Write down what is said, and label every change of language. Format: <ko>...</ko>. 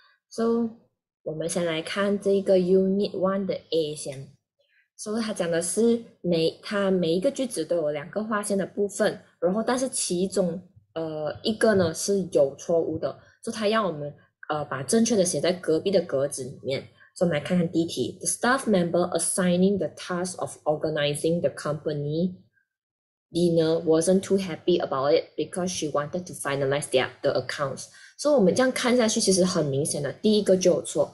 <zh>So，我们先来看这个 Unit One 的 A 先。 So，它讲的是每一个句子都有两个划线的部分，然后但是其中一个呢是有错误的，就它要我们把正确的写在隔壁的格子里面。</zh> <en>So，</en> <zh>我们来看看第一题：</zh> <en>The staff member assigning the task of organizing the company Dina wasn't too happy about it because she wanted to finalize the accounts。</en> <zh>所以，我们这样看下去，其实很明显的，第一个就有错。</zh>